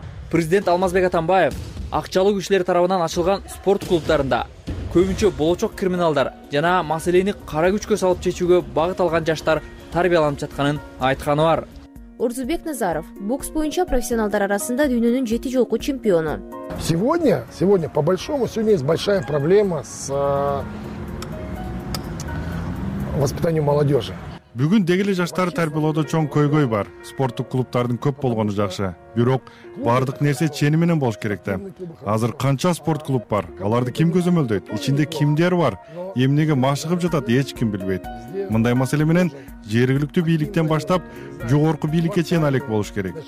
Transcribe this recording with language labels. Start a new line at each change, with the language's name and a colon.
Kyrgyz: Президент Алмазбек Атамбаев акчалуу кишилер тарабынан ачылган спорт клубдарында көбүнчө болочок криминалдар жана маселени кара күчкө салып чечүүгө багыт алган жаштар тарбияланып жатканын айтканы бар. Урзубек Назаров, бокс боюнча профессионалдар арасында дүйнөнүн 7 жолку чемпиону.
Russian: Сегодня по большому сегодня есть большая проблема с воспитанием молодежи.
Kyrgyz: Бүгүн деги эле жаштарды тарбиялоодо чоң көйгөй бар. Спорттук клубтардын көп болгону жакшы. Бирок бардык нерсе чени менен болуш керек да. Азыр канча спорт клуб бар? Аларды ким көзөмөлдөйт? Ичинде кимдер бар? Эмнеге машыгып жатат, эч ким билбейт. Мындай маселе менен жергиликтүү бийликтен баштап жогорку бийликке чейин алек болуш керек.